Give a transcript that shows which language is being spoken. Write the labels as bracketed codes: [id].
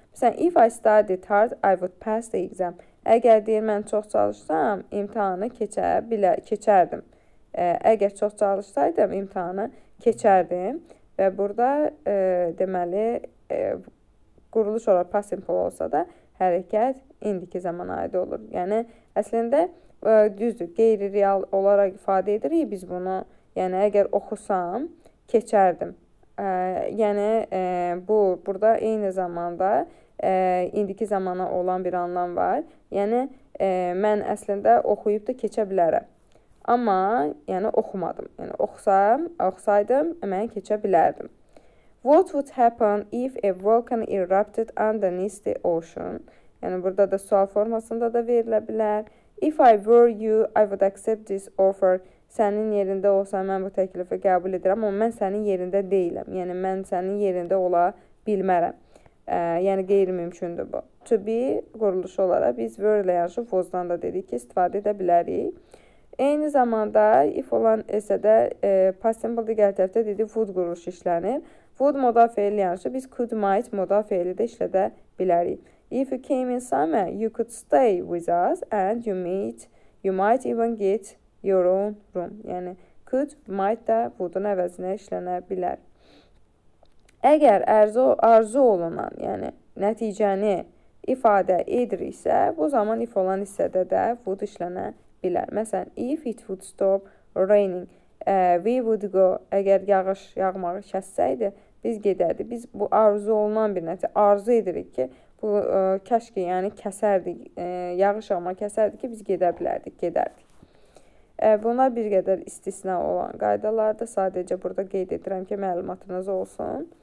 [en] Məsələn, if I studied hard, I would pass the exam. [az] Əgər deyir, mən çox çalışsam, imtihanı keçərdim. Əgər çox çalışsaydım, imtihanı keçərdim. Və burada, deməli, quruluş olaraq past simple olsa da, hərəkət indiki zamana aid olur. Yəni, əslində, düzdür, qeyri-real olaraq ifadə edirik biz bunu. Yəni, əgər oxusam, keçərdim. Yəni, burada eyni zamanda indiki zamana olan bir anlam var. Yəni, mən əslində oxuyub da keçə bilərəm. Amma, yəni, oxumadım. Yəni, oxusaydım, mən keçə bilərdim. [en] What would happen if a volcano erupted underneath the ocean? [az] Yəni, burada da sual formasında da verilə bilər. [en] If I were you, I would accept this offer. [az] Sənin yerində olsam, mən bu təklifi qəbul edirəm. Amma mən sənin yerində deyiləm. Yəni, mən sənin yerində ola bilmərəm. Yəni, qeyri-mümkündür bu. To be quruluşu olaraq, biz were ilə yanaşı was-dan da dedik ki, istifadə edə bilərik. Eyni zamanda, if olan isə də past simple digər tərəfdə dedik, would quruluşu işlənir. Would modal fiil ilə yanaşı, biz could might modal fiil ilə də işlədə bilərik. [en] If you came in summer, you could stay with us and you might even get your own room. [az] Yəni, could, might da budun əvəzinə işlənə bilər. Əgər arzu olunan, yəni nəticəni ifadə ediriksə, bu zaman if olan hissədə də would işlənə bilər. [en] Məsələn, if it would stop raining, we would go. [az] Əgər yağış yağmağı kəssəydi, biz gedərdik. Biz bu arzu olunan bir nəticə arzu edirik ki, bu kəşki, yəni kəsərdik, yağış yağmağı kəsərdik ki, biz gedə bilərdik, gedərdik. Bunlar bir qədər istisna olan qaydalardır. Sadəcə burada qeyd edirəm ki, məlumatınız olsun.